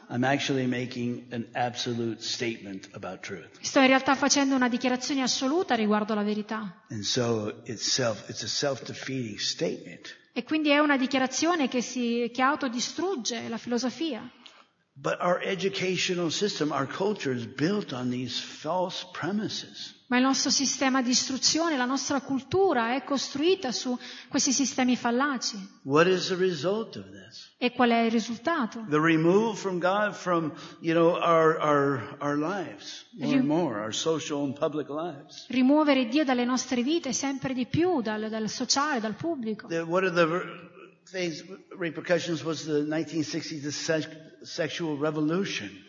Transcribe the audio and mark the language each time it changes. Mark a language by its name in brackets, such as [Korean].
[English] I'm actually making an absolute statement about truth. [Italian] Sto in realtà facendo una dichiarazione assoluta riguardo la verità. [English] And so it's a self-defeating statement. [Italian] E quindi è una dichiarazione che autodistrugge la filosofia. [English] But our educational system, our culture is built on these false premises. [Italian] Ma il nostro sistema di istruzione, la nostra cultura è costruita su questi sistemi fallaci. [English] What is the result of this? [Italian] E qual è il risultato? [English] The removal from God from, you know, our lives, more and more, our social and public lives. [Italian] Rimuovere Dio dalle nostre vite sempre di più, dal sociale, dal pubblico. [English] These repercussions was the 1960s, the sexual revolution.